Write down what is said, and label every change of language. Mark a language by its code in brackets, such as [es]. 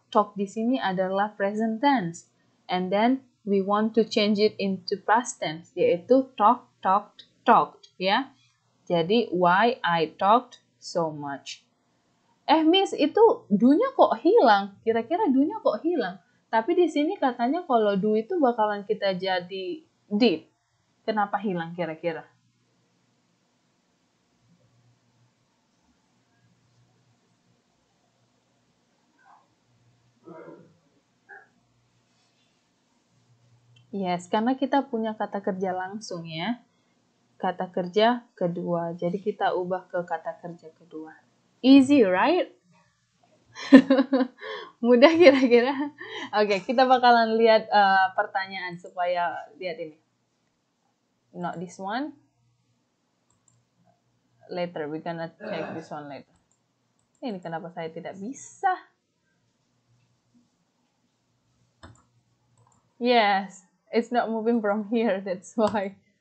[id] Talk di sini adalah present tense. [en] And then, we want to change it into past tense. [id] Yaitu, talked. Ya? Jadi, [en] why I talked so much. [id] Eh, miss, itu do-nya kok hilang? Kira-kira do-nya kok hilang? Tapi di sini katanya kalau do itu bakalan kita jadi did. Kenapa hilang kira-kira? Yes, karena kita punya kata kerja langsung ya. Kata kerja kedua. Jadi kita ubah ke kata kerja kedua. [en] Easy, right? [id] Mudah kira-kira. Oke, okay, kita bakalan lihat pertanyaan supaya lihat ini. [en] Not this one. Later, we're gonna check this one later. [id] Ini kenapa saya tidak bisa? [en] Yes, it's not moving from here, that's why.